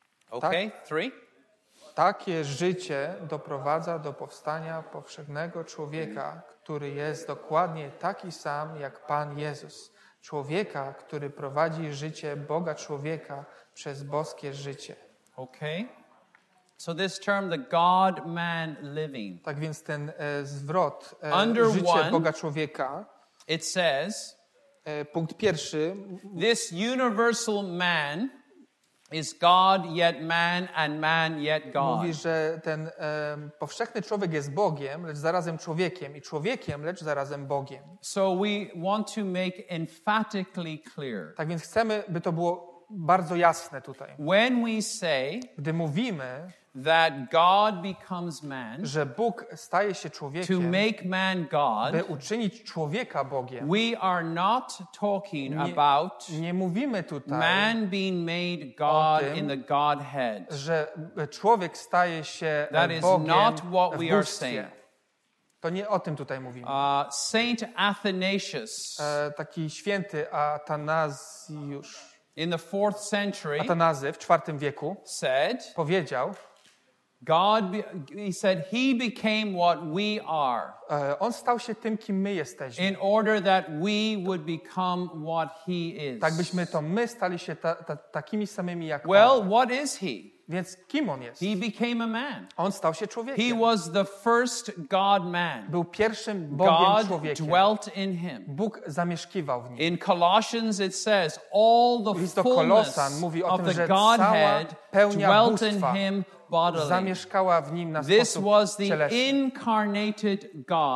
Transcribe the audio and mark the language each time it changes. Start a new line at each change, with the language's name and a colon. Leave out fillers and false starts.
English: Okay, three.
Polish: Takie życie doprowadza do powstania powszechnego człowieka, który jest dokładnie taki sam jak Pan Jezus. Człowieka, który prowadzi życie Boga człowieka przez boskie życie.
English: Okay. So this term, the God-man living.
Polish: Tak więc ten zwrot, życie Boga człowieka.
English: It says,
Polish: punkt pierwszy.
English: This universal man is God yet man and man yet God.
Polish: Mówi, że ten powszechny człowiek jest Bogiem, lecz zarazem człowiekiem i człowiekiem, lecz zarazem Bogiem.
English: So we want to make emphatically clear.
Polish: Tak więc chcemy, by to było bardzo jasne tutaj.
English: When we say,
Polish: gdy mówimy,
English: that God becomes man,
Polish: że Bóg staje się człowiekiem,
English: to make man God,
Polish: by uczynić człowieka Bogiem,
English: we are not talking about,
Polish: nie mówimy tutaj,
English: man being made God
Polish: o tym,
English: in the Godhead,
Polish: że człowiek staje się
English: that
Polish: Bogiem
English: is not what we are saying.
Polish: To nie o tym tutaj mówimy.
English: Saint Athanasius,
Polish: taki święty Atanasiusz,
English: in the 4th century,
Polish: Atanazy w IV wieku
English: said,
Polish: powiedział,
English: God he said he became what we are.
Polish: On stał się tym, kim my jesteśmy.
English: In order that we would become what he is.
Polish: Tak byśmy to my stali się takimi samymi jak on.
English: Well, what is he?
Polish: Więc kim on jest?
English: He became a man.
Polish: On stał się człowiekiem.
English: He was the first God man.
Polish: Był pierwszym Bogiem człowiekiem.
English: God dwelt in him.
Polish: Bóg zamieszkiwał w nim.
English: In Colossians it says all the fullness
Polish: mówi o tym, że cała pełnia Bóstwa zamieszkała w nim na sposób cielesny.
English: This was the incarnated God.